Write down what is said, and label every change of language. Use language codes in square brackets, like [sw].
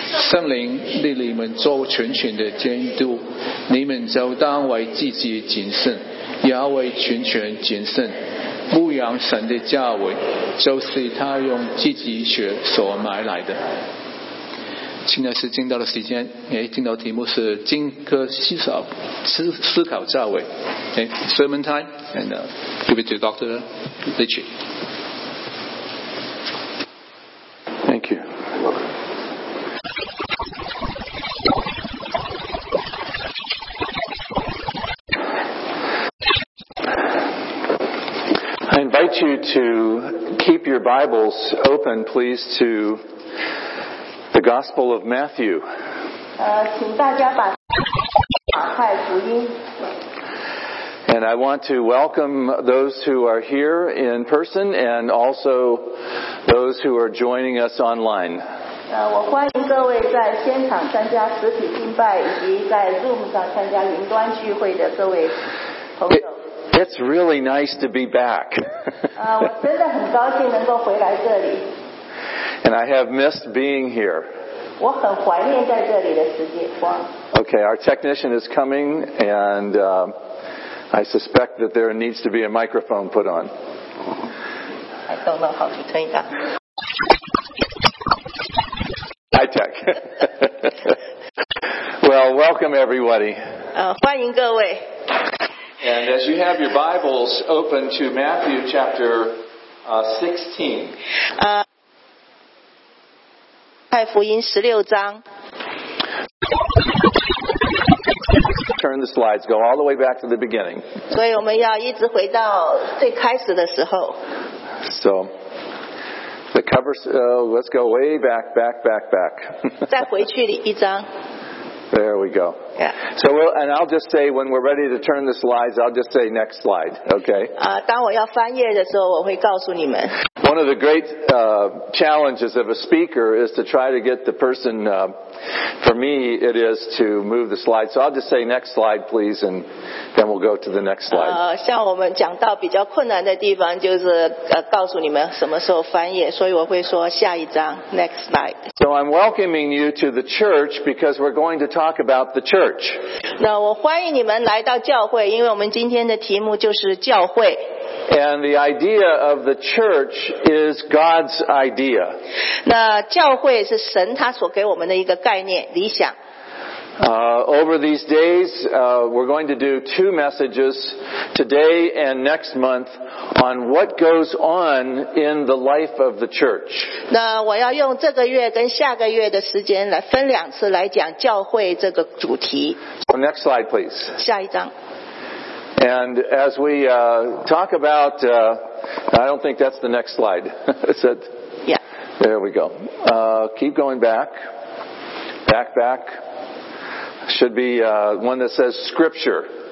[zh] 圣灵立你们做全权的监督，你们就当为自己谨慎，也要为全权谨慎，牧养神的教会，就是他用自己血所买来的。现在是进到的时间，进到题目是正确思考，思考教会。 [en] Sermon time, and give it to Dr. Litchi. Thank you. I invite you to keep your Bibles open, please, to the Gospel of Matthew. [zh] 请大家把马太福音。 [en] And I want to welcome those who are here in person and also those who are joining us online. [zh] 我欢迎各位在现场参加实体敬拜以及在 Zoom 上参加云端聚会的各位朋友。 [en] It's really nice to be back. [zh] 我真的很高兴能够回来这里。 [en] And I have missed being here. [zh] 我很怀念在这里的时间。 [en] Okay, our technician is coming and... I suspect that there needs to be a microphone put on. I don't know how to turn it on. High tech. Well, welcome everybody. [zh] 欢迎各位。 [en] And as you have your Bibles open to Matthew chapter 16. [zh] 太福音16章。 [en] Turn the slides, go all the way back to the beginning. [zh] 所以我们要一直回到最开始的时候。 [en] So, the cover,、let's go way back, back, back, back. [zh] 再回去一张。 [en] There we go. Yeah. So, we'll, and I'll just say when we're ready to turn the slides, I'll just say next slide, okay? [zh] 当我要翻页的时候，我会告诉你们。 [en] One of the great、challenges of a speaker is to try to get the person,、for me, it is to move the slide. So I'll just say next slide, please, and then we'll go to the next slide. [zh] 像我们讲到比较困难的地方就是、告诉你们什么时候翻页，所以我会说下一张 [en] next slide. So I'm welcoming you to the church because we're going to talk about the church. [zh] 那我欢迎你们来到教会，因为我们今天的题目就是教会。 [en] And the idea of the church is God's idea. [zh] 那教会是神他所给我们的一个概念，理想。 [en] Over these days, we're going to do two messages today and next month on what goes on in the life of the church. [zh] 那我要用这个月跟下个月的时间来分两次来讲教会这个主题。 [en] So next slide, please. [zh] 下一张。 [en] And as we talk about, I don't think that's the next slide. Is it? Yeah. There we go. Keep going back. Back, back. Should be one that says scripture.